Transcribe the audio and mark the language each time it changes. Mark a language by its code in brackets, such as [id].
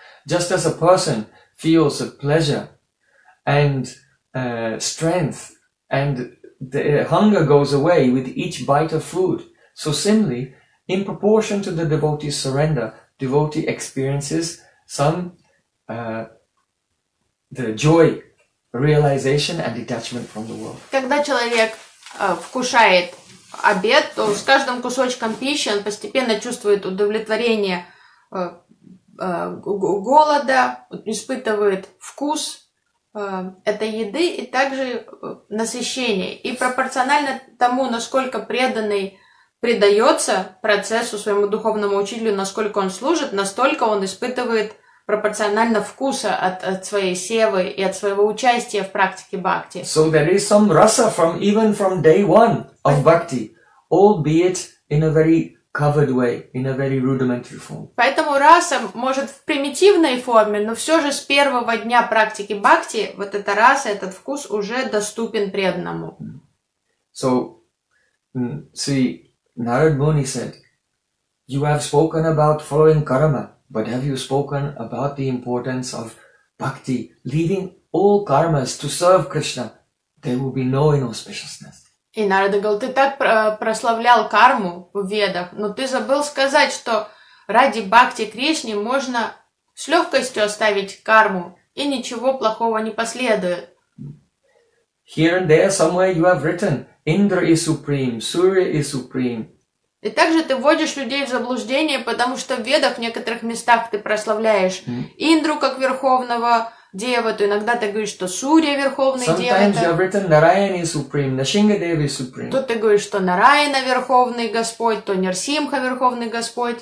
[en] Just as a person feels a pleasure and strength and the hunger goes away with each bite of food, so similarly, in proportion to the devotee's surrender, devotee experiences some the joy, realization and detachment from the world. [ru] Когда человек вкушает обед, то с каждым кусочком пищи он постепенно чувствует удовлетворение голода, испытывает вкус этой еды и также насыщение. И пропорционально тому, насколько преданный предается процессу своему духовному учителю, насколько он служит, настолько он испытывает пропорционально вкуса от своей севы и от своего участия в практике бхакти. [en] So there is some rasa from even from day one of bhakti. Albeit in a very covered way, in a very rudimentary form. [ru] Поэтому раса может в примитивной форме, но все же с первого дня практики бхакти вот эта раса, этот вкус уже доступен преданному. [en] So, see, Narad Muni said, "You have spoken about following karma, but have you spoken about the importance of bhakti, leaving all karmas to serve Krishna? There will be no inauspiciousness." [ru] И Нарада говорил, ты так прославлял карму в ведах, но ты забыл сказать, что ради бхакти Кришне можно с легкостью оставить карму, и ничего плохого не последует. [en] Here and there somewhere you have written, Indra is supreme, Surya is supreme. [ru] И также ты вводишь людей в заблуждение, потому что в ведах в некоторых местах ты прославляешь Индру как верховного Дева, то иногда ты говоришь, что Сурья Верховный [en] Sometimes [ru] Дева. [en] Sometimes you have written Narayan is supreme, Нарсинга Дева is supreme. [ru] Тут ты говоришь, что Нараяна Верховный Господь, то Нарсимха Верховный Господь.